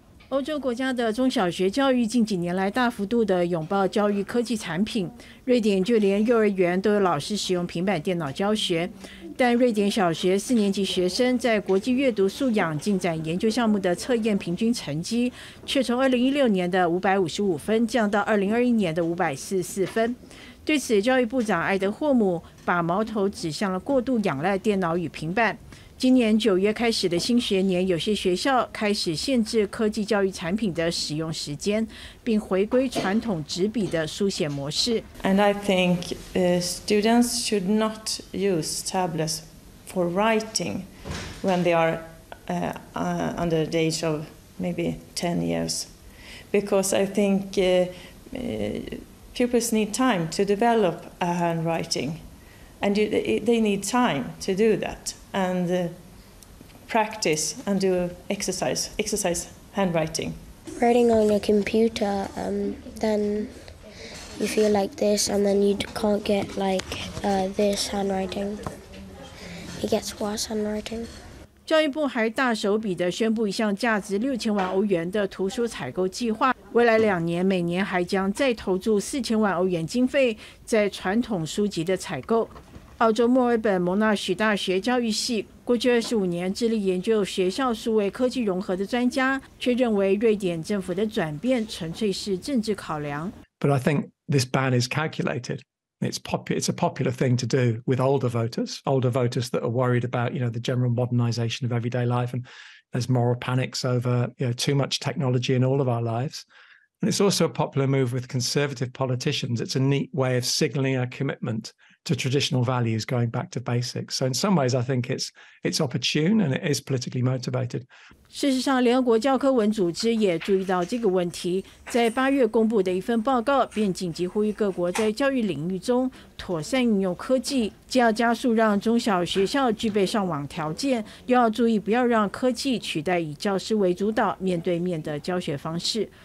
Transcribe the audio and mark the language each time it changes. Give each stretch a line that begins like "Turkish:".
Chinese: 欧洲国家的中小学教育近几年来大幅度的拥抱教育科技产品，瑞典就连幼儿园都有老师使用平板电脑教学，但瑞典小学四年级学生在国际阅读素养进展研究项目的测验平均成绩却从2016年的555分降到2021年的544分。对此，教育部长埃德霍姆把矛头指向了过度仰赖电脑与平板。今年九月开始的新学年，有些学校开始限制科技教育产品的使用时间，并回归传统纸笔的书写模式。
English: And I think students should not use tablets for writing when they are under the age of maybe 10 years, because I think pupils need time to develop a handwriting, and they need time to do that. And practice and do exercise handwriting. Writing on a computer, then you feel like this, and then you can't get like this handwriting. It gets worse handwriting.
Chinese: 教育部还大手笔地宣布一项价值6000万欧元的图书采购计划，未来两年每年还将再投注4000万欧元经费在传统书籍的采购。澳洲墨尔本蒙纳许大学教育系过去25年致力研究学校数位科技融合的专家，却认为瑞典政府的转变纯粹是政治考量。
English: But I think this ban is calculated. It's a popular thing to do with older voters that are worried about the general modernization of everyday life, and there's moral panics over too much technology in all of our lives. And it's also a popular move with conservative politicians. It's a neat way of signalling a commitment to traditional values, going back to basics. So in some ways, I think it's opportune and it is politically motivated.
Chinese: 事实上，联合国教科文组织也注意到这个问题，在八月公布的一份报告便紧急呼吁各国在教育领域中妥善运用科技，既要加速让中小学校具备上网条件，又要注意不要让科技取代以教师为主导面对面的教学方式。